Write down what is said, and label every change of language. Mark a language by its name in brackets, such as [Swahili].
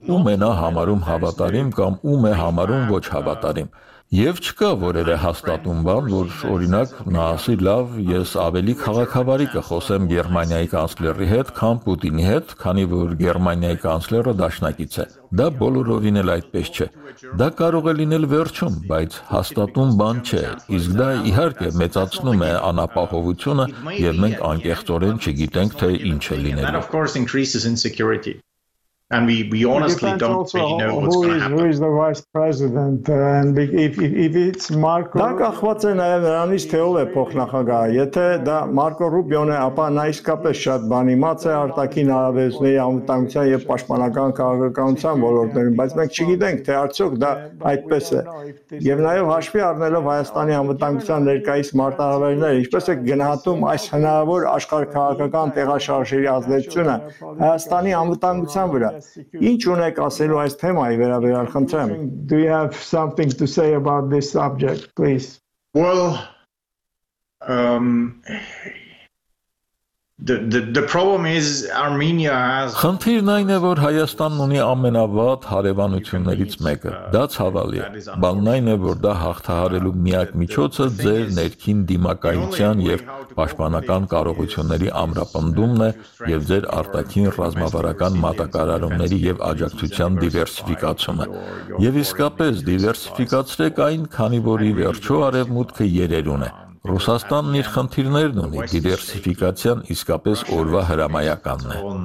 [Armenian] ում է նա համարում հավատարիմ կամ ում է համարում ոչ հավատարիմ։ Եվ չկա որևէ հաստատուն բան, որ օրինակ նա ասի՝ «Լավ, ես ավելի քաղաքավարի կխոսեմ Գերմանիայի կանսլերի հետ, քան Պուտինի հետ, քանի որ Գերմանիայի կանսլերը դաշնակից է»։ Դա բոլորովին էլ այդպես չէ։ Դա կարող է լինել վերջում, բայց հաստատուն բան չէ, իսկ դա իհարկե մեծացնում է անապահովությունը, եւ մենք անկեղծորեն չգիտենք, թե ինչ է լինելու։ [English] And we honestly don't know what's going to happen. Who is the vice president? And if it's Marco [Armenian] Rubio. Դա կախված է նաև նրանից, թե ով է փոխնախագահը. Եթե դա Մարկո Ռուբիոն է, ապա նա իսկապես շատ բան իմաց է արտաքին արաբեզների անվտանգության եւ պաշտպանական քաղաքականության ոլորտներում, բայց մենք չգիտենք, թե արդյոք դա այդպես է։ Եվ նաև հաշվի առնելով Հայաստանի անվտանգության ներկայիս մարտահրավերները, ինչպես է գնահատում այս հնարավոր աշխարհքաղաքական տեղաշարժերի ազդեցությունը Հայաստանի անվտանգության վրա։ Ինչ ունեք ասելու այս թեմայի վերաբերյալ, խնդրեմ։ [English] Do you have something to say about this subject, please? Well, the problem is Armenia has [Armenian] Խնդիրն այն է, որ Հայաստանն ունի ամենավատ հարևանություններից մեկը։ Դա ցավալի է։ Բանն այն է, որ դա հաղթահարելու միակ միջոցը ձեր ներքին դիմակայության եւ պաշտպանական կարողությունների ամրապնդումն է եւ ձեր արտաքին ռազմավարական մատակարարումների եւ աջակցության դիվերսիֆիկացումը։ Եվ իսկապես դիվերսիֆիկացրեք այն, քանի որ ի վերջո արևմուտքը երերուն է։ Ռուսաստանն իր խնդիրներն ունի, դիվերսիֆիկացիան իսկապես օրվա հրամայականն է։